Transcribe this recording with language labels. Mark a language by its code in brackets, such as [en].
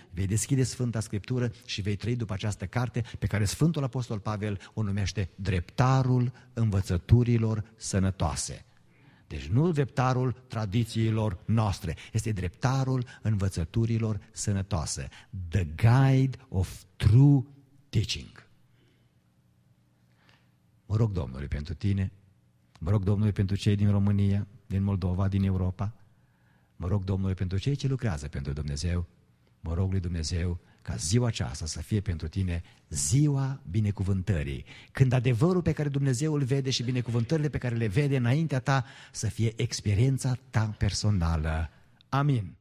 [ro] Vei deschide Sfânta Scriptură și vei trăi după această carte pe care Sfântul Apostol Pavel o numește dreptarul învățăturilor sănătoase. Deci nu dreptarul tradițiilor noastre, este dreptarul învățăturilor sănătoase. [en] The guide of true teaching. [ro] Mă rog Domnului pentru tine, mă rog Domnului pentru cei din România, din Moldova, din Europa, mă rog Domnului pentru cei ce lucrează pentru Dumnezeu, mă rog lui Dumnezeu ca ziua aceasta să fie pentru tine ziua binecuvântării, când adevărul pe care Dumnezeu îl vede și binecuvântările pe care le vede înaintea ta să fie experiența ta personală. Amin.